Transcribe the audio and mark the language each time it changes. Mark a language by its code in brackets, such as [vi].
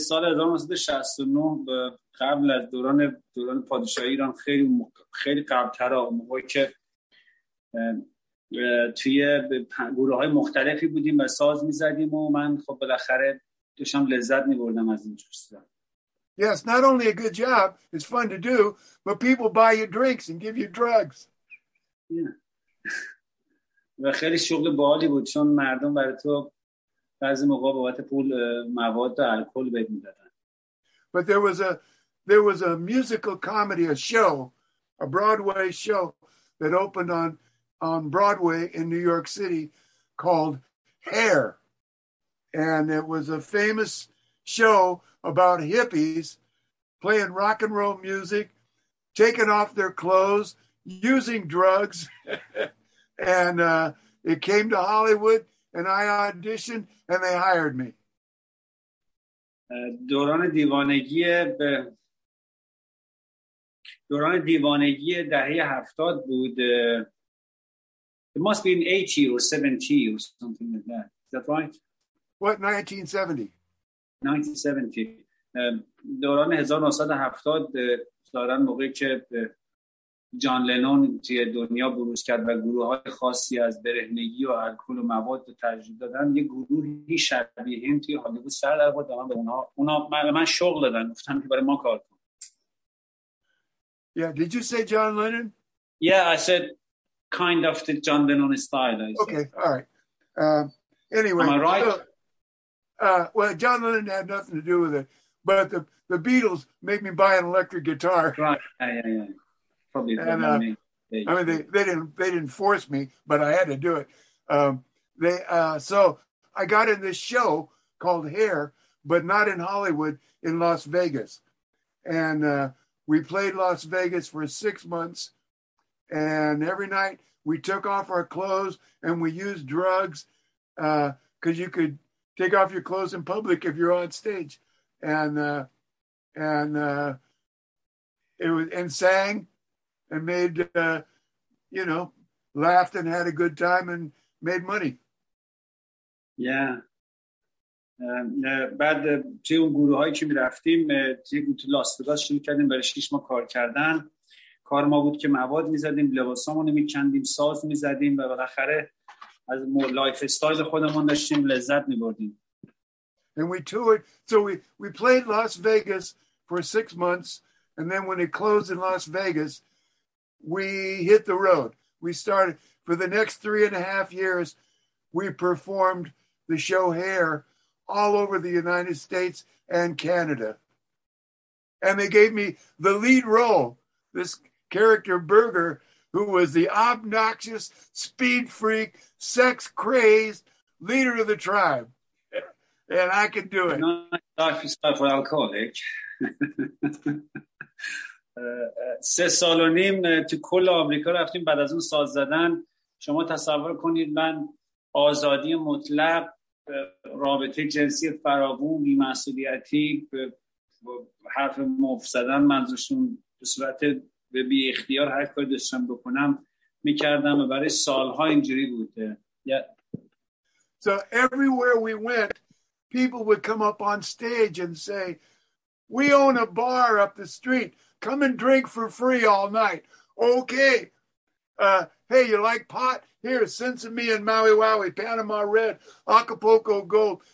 [fa] سال 1969 قبل از دوران پادشاهی ایران، خیلی قبل‌تر اون موقعی که توی گروه های مختلفی بودیم و ساز میزدیم و من خب بالاخره داشتم لذت میبردم از این چیز. [en] Yes, not only a good job, it's fun to do, but people buy you drinks and give you drugs. [fa] و خیلی شغل باحالی بود چون مردم برای تو بعضی موقع بابت پول مواد و الکل بهت میدادن. [en] But there was a musical comedy, a show, a Broadway show that opened on Broadway in New York City called Hair. And it was a famous show about hippies playing rock and roll music, taking off their clothes, using drugs. And it came to Hollywood and I auditioned and they hired me. [fa] دوران دیوانگی دهه 70 بود. [en] It must be in 80 or 70 or something like that. Is that right? What, 1970? 1970. [fa] دوران 1970 دارن موقعی که جان لنون توی دنیا بروز کرد و گروه های خاصی از برهنگی و الکل و مواد تجربه دادن، یه گروهی شبیه هم توی هالیوود سر در آورد. دادن به اونا من شغل دادن، گفتم که برای ما کار کن. [en] Yeah, did you say John Lennon? Yeah, I said kind of the John Lennon style. Okay, all right. Anyway, am I right? Well, John Lennon had nothing to do with it, but the Beatles made me buy an electric guitar. Right. Probably. And, they didn't force me, but I had to do it. So I got in this show called Hair, but not in Hollywood, in Las Vegas. And we played Las Vegas for 6 months, and every night we took off our clothes and we used drugs because you could t- take off your clothes in public if you're on stage, and sang, and made, you know, laughed and had a good time and made money. Yeah. [fa] بعد توی اون گروه هایی که می رفتیم توی گروه تو لاستگاس شروع کردیم برای شیش ما کار کردن. کار ما بود که مواد می زدیم، لباس همون می کندیم، ساز می زدیم و بالاخره از لایف استایل خودمون داشتیم لذت می بردیم. [en] And we toured, so we played Las Vegas for 6 months, and then when it closed in Las Vegas, we hit the road. We started for the next 3.5 years, we performed the show Hair all over the United States and Canada. And they gave me the lead role, this character Burger, who was the obnoxious, speed freak, sex-crazed leader of the tribe. And I could do it. Life is tough for alcoholic. 3.5 years to [fa] کل آمریکا رفتیم بعد از اون ساز زدن. شما تصور کنید من آزادی مطلق، رابطه جنسی فراوون، بی‌مسئولیتی، حرف مفت زدن، منظورشون به صورت به بی اختیار هر کاری داشتم بکنم میکردم و برای سالها اینجوری بوده. [en] So everywhere we went, people would come up on stage and say, "We own a bar up the street. Come and drink for free all night. Okay. Hey, you like pot? Here, Sinsomi and Maui Waui, Panama Red, Acapulco Gold.